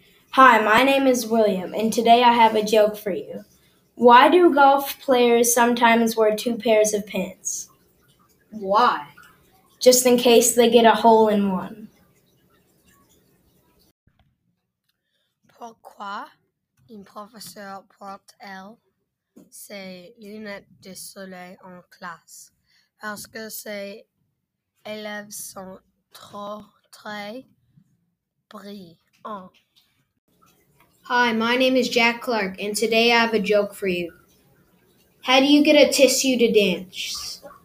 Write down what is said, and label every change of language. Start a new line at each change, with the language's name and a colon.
English: Hi, my name is William, and today I have a joke for you. Why do golf players sometimes wear two pairs of pants? Why? Just in case they get a hole in one.
French: Pourquoi un professeur porte-t-il ses lunettes de soleil en classe? Parce que ses élèves sont trop très brillants.
English: Hi, my name is Jack Clark, and today I have a joke for you. How do you get a tissue to dance?